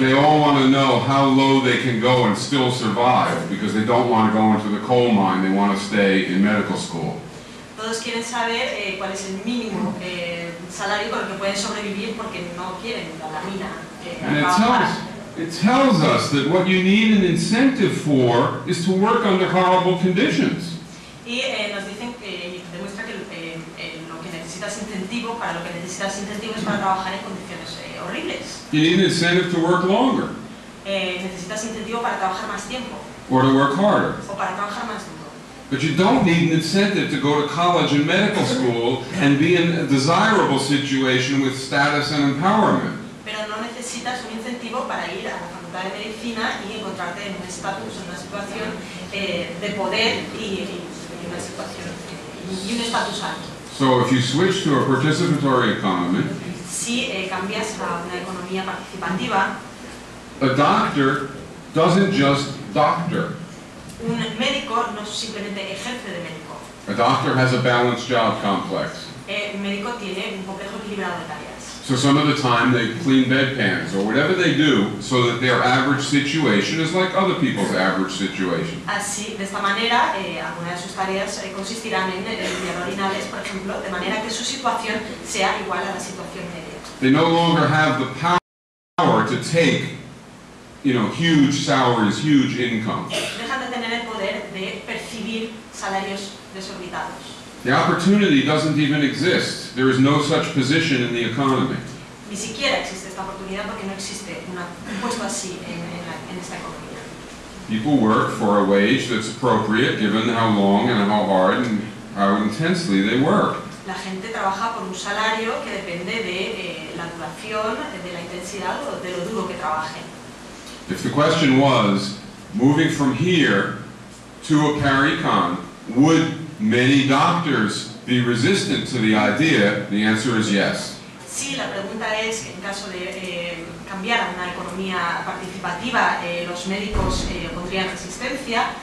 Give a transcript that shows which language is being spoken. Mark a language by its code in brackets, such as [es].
[en] They all want to know how low they can go and still survive because they don't want to go into the coal mine, they want to stay in medical school. [es] Todos quieren saber cuál es el mínimo salario con el que pueden sobrevivir porque no quieren ir a la mina. [en] And it tells us that what you need an incentive for is to work under horrible conditions. [es] Y nos dicen que demuestra que lo que necesitas incentivo para lo que necesitas incentivo es para trabajar en condiciones horribles. [en] You need an incentive to work longer. [es] Necesitas incentivo para trabajar más tiempo. [en] Or to work harder. [es] O para trabajar más duro. [en] But you don't need an incentive to go to college and medical school and be in a desirable situation with status and empowerment. [es] Pero no necesitas un incentivo para ir a la facultad de medicina y encontrarte en un estatus, en una situación de poder y una situación y un estatus alto. [en] So if you switch to a participatory economy, [es] si cambias a una economía participativa, [en] a doctor doesn't just doctor. [es] Un médico no simplemente ejerce de médico. [en] A doctor has a balanced job complex. [es] El médico tiene un complejo equilibrado de tareas. [en] So some of the time they clean bedpans or whatever they do so that their average situation is like other people's average situation. [es] Así, de esta manera, algunas de sus tareas consistirán en limpiar orinales, por ejemplo, de manera que su situación sea igual a la situación media. [en] They no longer have the power to take, you know, huge salaries, huge incomes. [es] Dejan de tener el poder de percibir salarios desorbitados. [en] The opportunity doesn't even exist. There is no such position in the economy. [es] Ni siquiera existe esta oportunidad porque no existe un puesto así en esta economía. [en] People work for a wage that's appropriate given how long and how hard and how intensely they work. [es] La gente trabaja por un salario que depende de la duración, de la intensidad o de lo duro que trabajen. [en] If the question was, moving from here to a parecon, would many doctors be resistant to the idea, the answer is yes. [es] Sí, la pregunta es, en caso de cambiar a una economía participativa, los médicos pondrían resistencia.